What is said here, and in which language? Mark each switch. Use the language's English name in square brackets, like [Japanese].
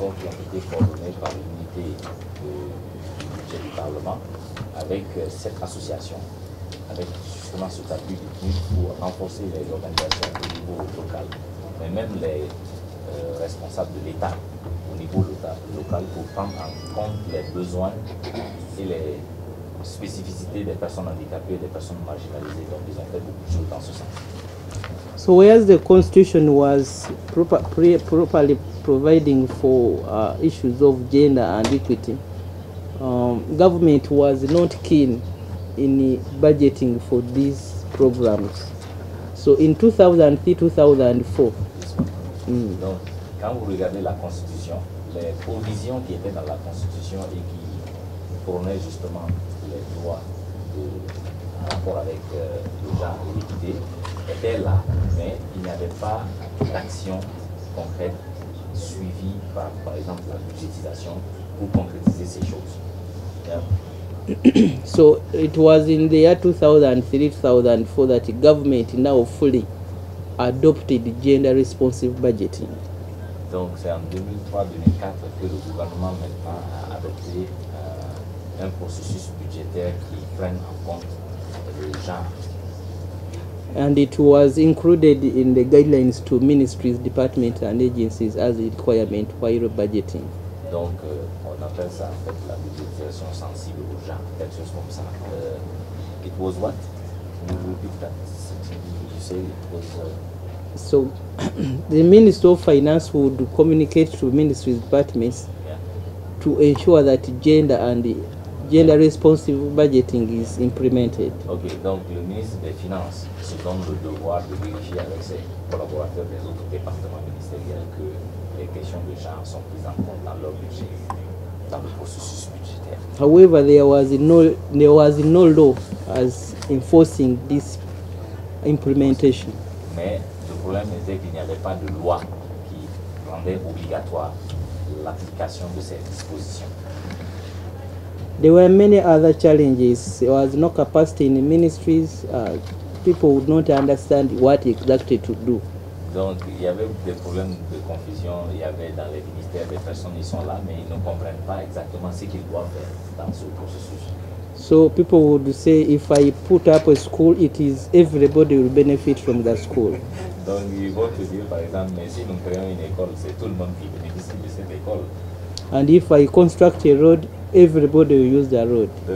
[French] rapports qui ont été coordonnés par l'unité du budget du Parlement avec cette association, avec justement cet appui technique pour renforcer les organisations au niveau local, mais même les responsables de l'État au niveau local pour prendre en compte les besoins et les spécificités des personnes handicapées et des personnes marginalisées. Donc ils ont fait beaucoup de choses dans ce sens. [English] So whereas the constitution was properly providing for issues of gender and equity, government was not keen in budgeting for these programs. So in 2003-2004. [French] Donc, quand vous regardez la constitution, les provisions qui étaient dans la constitution et qui prônaient justement les droits en rapport avec le genre et l'équité étaient là, mais il n'y avait pas d'action concrète suivie par exemple la budgétisation pour concrétiser ces choses. [English] So it was in the year 2003-2004 that the government now fully adopted gender responsive budgeting. [French] Donc c'est en 2003-2004 que le gouvernement maintenant a adopté un processus budgétaire qui prenne en compte le genre. [English] And it was included in the guidelines to ministries, departments and agencies as a requirement while budgeting. [French] Donc on appelle ça en fait la budgétisation sensible aux gens, quelque chose comme ça. [English] It was what? You repeat that. You say it was... So the Minister of Finance would communicate to ministries, departments to ensure that gender and the gender responsive budgeting is implemented. [French] Okay, donc le ministre des Finances se donne le devoir de vérifier avec ses collaborateurs des autres départements ministériels que les questions de genre sont prises en compte dans leur budget, dans le processus budgétaire. [English] However, there was no law as enforcing this implementation. [French] Mais le problème était qu'il n'y avait pas de loi qui rendait obligatoire l'application de ces dispositions. [English] There were many other challenges. There was no capacity in the ministries. People would not understand what exactly to do. [French] Donc, il y avait des problèmes de confusion. Il y avait dans les ministères des personnes qui sont là, mais ils ne comprennent pas exactement ce qu'ils doivent faire dans ce processus. [English] So people would say, if I put up a school, it is everybody will benefit from the school. [French] Donc, ils vont te dire, par exemple, mais si nous créons une école, c'est tout le monde qui bénéficie de cette école. [English] And if I construct a road, everybody will use the road.